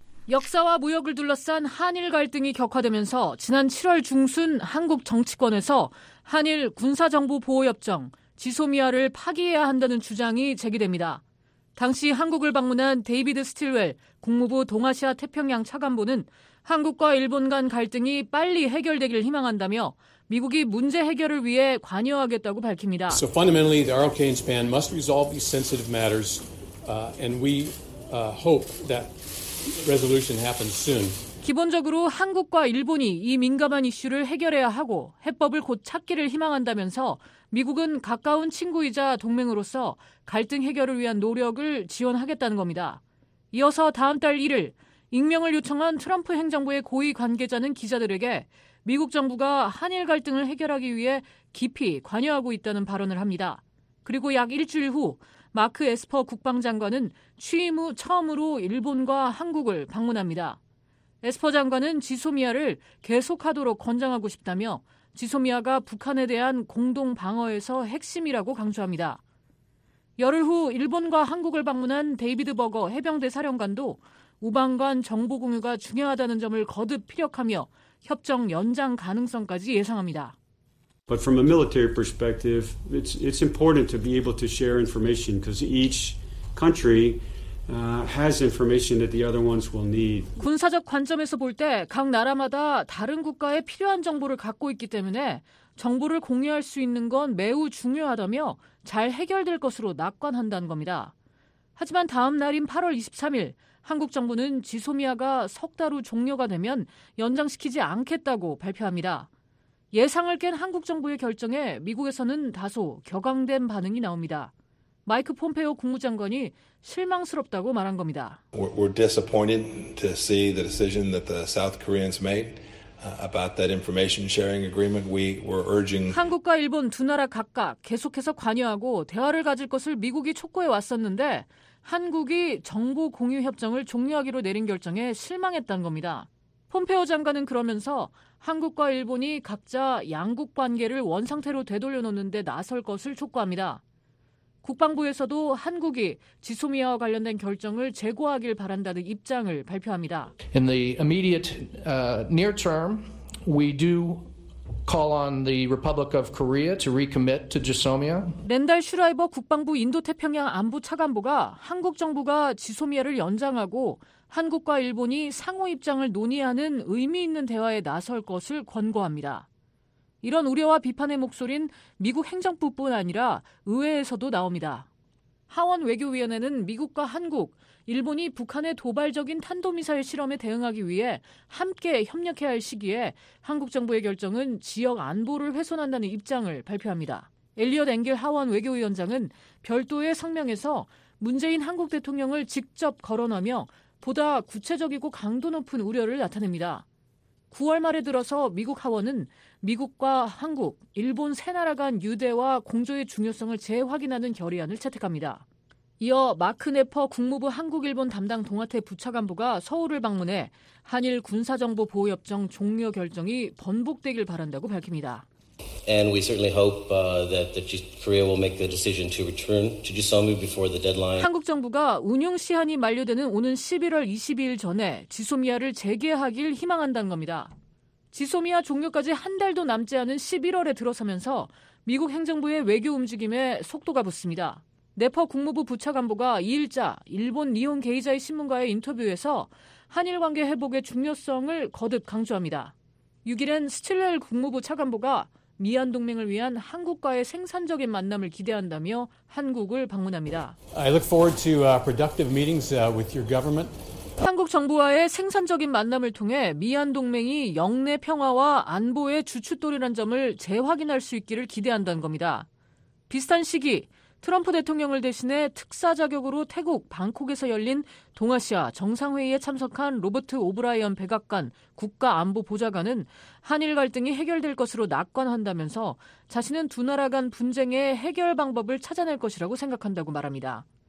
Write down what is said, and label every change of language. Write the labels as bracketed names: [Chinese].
[Korean] 역사와 무역을 둘러싼 한일 갈등이 격화되면서 지난 7월 중순 한국 정치권에서 한일 군사정보보호협정 지소미아를 파기해야 한다는 주장이 제기됩니다. 당시 한국을 방문한 데이비드 스틸웰 국무부 동아시아 태평양 차관보는 한국과 일본 간 갈등이 빨리 해결되길 희망한다며 미국이 문제 해결을 위해 관여하겠다고 밝힙니다. [English] So fundamentally, the RLK and Japan must resolve these sensitive matters, and we hope that resolution happens soon. [Korean] 기본적으로 한국과 일본이 이 민감한 이슈를 해결해야 하고 해법을 곧 찾기를 희망한다면서 미국은 가까운 친구이자 동맹으로서 갈등 해결을 위한 노력을 지원하겠다는 겁니다. 이어서 다음 달 1일 익명을 요청한 트럼프 행정부의 고위 관계자는 기자들에게 미국 정부가 한일 갈등을 해결하기 위해 깊이 관여하고 있다는 발언을 합니다. 그리고 약 일주일 후 마크 에스퍼 국방장관은 취임 후 처음으로 일본과 한국을 방문합니다. 에스퍼 장관은 지소미아를 계속하도록 권장하고 싶다며 지소미아가 북한에 대한 공동 방어에서 핵심이라고 강조합니다. 열흘 후 일본과 한국을 방문한 데이비드 버거 해병대 사령관도 우방 간 정보 공유가 중요하다는 점을 거듭 피력하며 협정 연장 가능성까지 예상합니다. [English] But from a military perspective, it's important to be able to share information because each country has information that the other ones will need. [Korean] 군사적 관점에서 볼 때 각 나라마다 다른 국가에 필요한 정보를 갖고 있기 때문에 정보를 공유할 수 있는 건 매우 중요하다며 잘 해결될 것으로 낙관한다는 겁니다. 하지만 다음 날인 8월 23일 한국 정부는 지소미아가 석 달 후 종료가 되면 연장시키지 않겠다고 발표합니다. 예상을 깬 한국 정부의 결정에 미국에서는 다소 격앙된 반응이 나옵니다. 마이크 폼페오 국무장관이 실망스럽다고 말한 겁니다. [English] We're disappointed to see the decision that the South Koreans made about that information sharing agreement. We were urging [Korean] 한국과 일본 두 나라 각각 계속해서 관여하고 대화를 가질 것을 미국이 촉구해 왔었는데 한국이 정보 공유 협정을 종료하기로 내린 결정에 실망했다는 겁니다. 폼페오 장관은 그러면서 한국과 일본이 각자 양국 관계를 원상태로 되돌려놓는 데 나설 것을 촉구합니다. 국방부에서도 한국이 지소미아와 관련된 결정을 재고하길 바란다는 입장을 발표합니다. [English] In the immediate near term, we do call on the Republic of Korea to recommit to GSOMIA. [Korean] 랜달 슈라이버 국방부 인도태평양 안보 차관보가 한국 정부가 지소미아를 연장하고 한국과 일본이 상호 입장을 논의하는 의미 있는 대화에 나설 것을 권고합니다. 이런 우려와 비판의 목소린 미국 행정부뿐 아니라 의회에서도 나옵니다. 하원 외교위원회는 미국과 한국, 일본이 북한의 도발적인 탄도미사일 실험에 대응하기 위해 함께 협력해야 할 시기에 한국 정부의 결정은 지역 안보를 훼손한다는 입장을 발표합니다. 엘리엇 앵겔 하원 외교위원장은 별도의 성명에서 문재인 한국 대통령을 직접 거론하며 보다 구체적이고 강도 높은 우려를 나타냅니다. 9월 말에 들어서 미국 하원은 미국과 한국, 일본 세 나라 간 유대와 공조의 중요성을 재확인하는 결의안을 채택합니다. 이어 마크 네퍼 국무부 한국일본 담당 동아태 부차관보가 서울을 방문해 한일 군사정보보호협정 종료 결정이 번복되길 바란다고 밝힙니다. [English] And we certainly hope that the Korea will make the decision to return to Jisomi before the deadline. [Korean] 한국 정부가 운용 시한이 만료되는 오는 11월 22일 전에 지소미아를 재개하길 희망한다는 겁니다. 지소미아 종료까지 한 달도 남지 않은 11월에 들어서면서 미국 행정부의 외교 움직임에 속도가 붙습니다. 네퍼 국무부 부차관보가 2일자 일본 니혼 게이자의 신문과의 인터뷰에서 한일 관계 회복의 중요성을 거듭 강조합니다. 6일엔 스틸렐 국무부 차관보가 미한 동맹을 위한 한국과의 생산적인 만남을 기대한다며 한국을 방문합니다. [English] I look forward to productive meetings with your government. [Korean] 한국 정부와의 생산적인 만남을 통해 미한 동맹이 영내 평화와 안보의 주춧돌이란 점을 재확인할 수 있기를 기대한다는 겁니다. 비슷한 시기 트럼프 대통령을 대신해 특사 자격으로 태국 방콕에서 열린 동아시아 정상회의에 참석한 로버트 오브라이언 백악관 국가안보보좌관은 한일 갈등이 해결될 것으로 낙관한다면서 자신은 두 나라 간 분쟁의 해결 방법을 찾아낼 것이라고 생각한다고 말합니다.